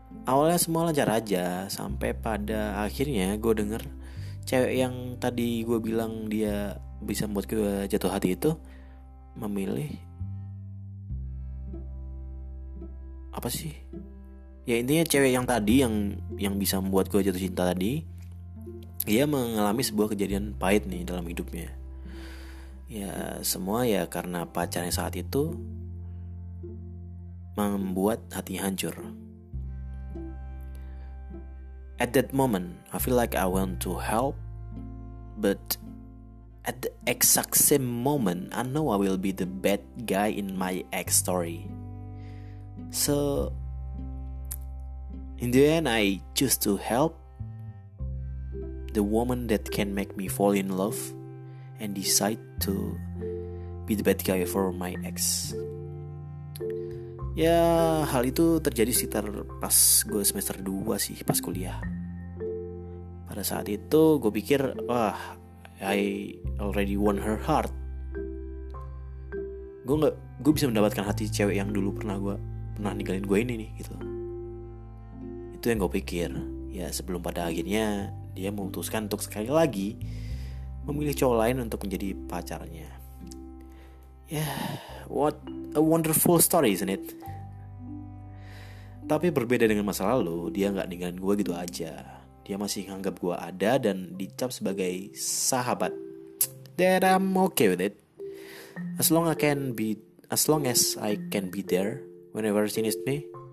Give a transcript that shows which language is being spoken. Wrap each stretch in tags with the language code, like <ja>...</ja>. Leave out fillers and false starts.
<id>Awalnya semua lancar aja, sampai pada akhirnya gue denger cewek yang tadi gue bilang dia bisa membuat gue jatuh hati itu memilih, apa sih, ya intinya cewek yang tadi yang bisa membuat gue jatuh cinta tadi, dia mengalami sebuah kejadian pahit nih dalam hidupnya. Ya semua ya karena pacarnya saat itu membuat hati hancur.</id> <en>At that moment I feel like I want to help, but at the exact same moment I know I will be the bad guy in my ex story. So in the end I choose to help the woman that can make me fall in love and decide to be the bad guy for my ex.</en> <id>Ya hal itu terjadi sekitar pas gue semester 2 sih, pas kuliah. Pada saat itu gue pikir, wah</id> <en>I already won her heart.</en> <id>Gue bisa mendapatkan hati cewek yang dulu pernah ninggalin gue ini nih gitu. Itu yang gue pikir. Ya sebelum pada akhirnya dia memutuskan untuk sekali lagi memilih cowok lain untuk menjadi pacarnya.</id> <en>Yeah, what a wonderful story, isn't it?</en> <id>Tapi berbeda dengan masa lalu, dia gak ninggalin gue gitu aja. Dia masih nganggap gue ada dan dicap sebagai sahabat.</id> <en>That I'm okay with it. As long as I can be there whenever she needs me.</en>